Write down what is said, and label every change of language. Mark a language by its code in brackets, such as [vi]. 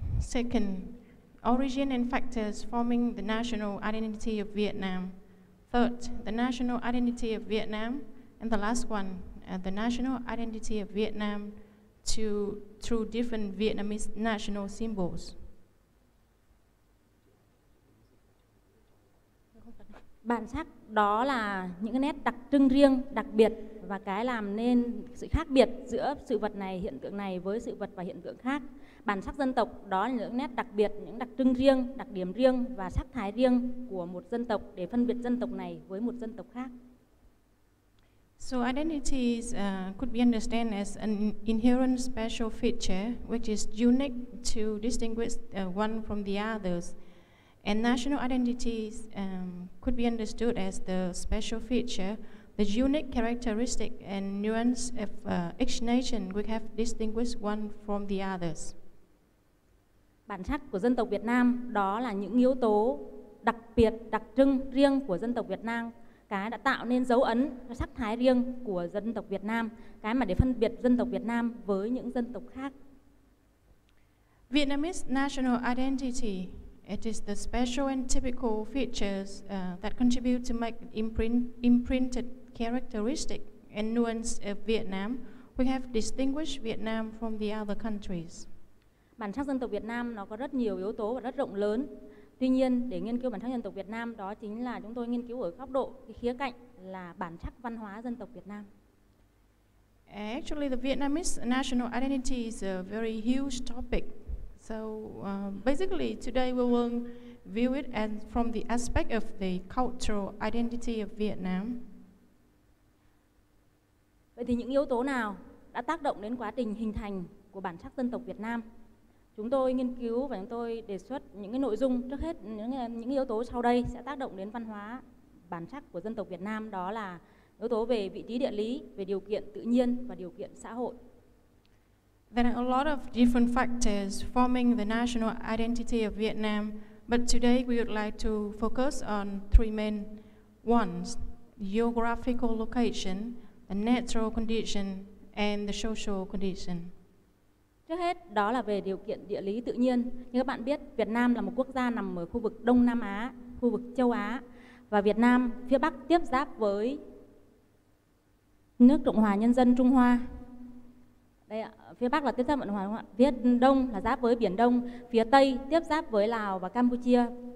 [en] Second, origin and factors forming the national identity of Vietnam. Third, the national identity of Vietnam. And the last one, the national identity of Vietnam through different Vietnamese national symbols. [vi] Bản sắc đó là những cái nét đặc trưng riêng, đặc biệt và cái làm nên sự khác biệt giữa sự vật này, hiện tượng này với sự vật và hiện tượng khác. Bản sắc dân tộc đó là những nét đặc biệt, những đặc trưng riêng, đặc điểm riêng và sắc thái riêng của một dân tộc để phân biệt dân tộc này với một dân tộc khác. [en] So identity could be understood as an inherent special feature which is unique to distinguish one from the others. And national identity could be understood as the special feature, the unique characteristic and nuance of each nation which have distinguished one from the others. [vi] Bản sắc của dân tộc Việt Nam đó là những yếu tố đặc biệt, đặc trưng riêng của dân tộc Việt Nam. Cái đã tạo nên dấu ấn sắc thái riêng của dân tộc Việt Nam, cái mà để phân biệt dân tộc Việt Nam với những dân tộc khác. [en] Vietnamese national identity, it is the special and typical features that contribute to make imprinted characteristic and nuance of Vietnam, which have distinguished Vietnam from the other countries. [vi] Bản sắc dân tộc Việt Nam nó có rất nhiều yếu tố và rất rộng lớn. Tuy nhiên, để nghiên cứu bản sắc dân tộc Việt Nam, đó chính là chúng tôi nghiên cứu ở góc độ, cái khía cạnh là bản sắc văn hóa dân tộc Việt Nam. [en] Actually, the Vietnamese national identity is a very huge topic. So basically, today we will view it as from the aspect of the cultural identity of Vietnam. [vi] Vậy thì những yếu tố nào đã tác động đến quá trình hình thành của bản sắc dân tộc Việt Nam? Chúng tôi nghiên cứu và chúng tôi đề xuất những cái nội dung trước hết những yếu tố sau đây sẽ tác động đến văn hóa bản sắc của dân tộc Việt Nam đó là yếu tố về vị trí địa lý, về điều kiện tự nhiên và điều kiện xã hội. [en] There are a lot of different factors forming the national identity of Vietnam, but today we would like to focus on three main ones: geographical location, the natural condition, and the social condition. [vi] Trước hết, đó là về điều kiện địa lý tự nhiên. Như các bạn biết, Việt Nam là một quốc gia nằm ở khu vực Đông Nam Á, khu vực châu Á, và Việt Nam phía Bắc tiếp giáp với nước Cộng hòa Nhân dân Trung Hoa. Đây ạ, phía Bắc là tiếp giáp với Cộng hòa, phía Đông là giáp với Biển Đông, phía Tây tiếp giáp với Lào và Campuchia.